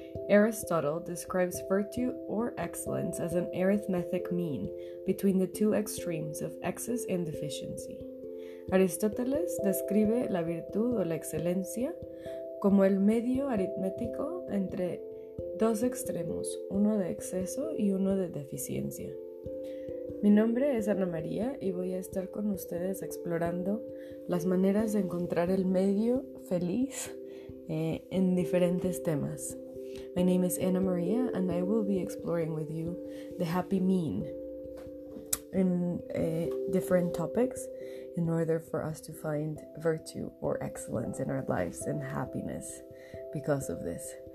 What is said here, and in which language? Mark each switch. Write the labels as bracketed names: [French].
[English] Aristotle describes virtue or excellence as an arithmetic mean between the two extremes of excess and deficiency. [Spanish] Aristóteles describe la virtud o la excelencia como el medio aritmético entre dos extremos, uno de exceso y uno de deficiencia. Mi nombre es Ana María y voy a estar con ustedes explorando las maneras de encontrar el medio feliz en diferentes temas. [English] My name is Ana María and I will be exploring with you the happy mean in different topics in order for us to find virtue or excellence in our lives and happiness because of this.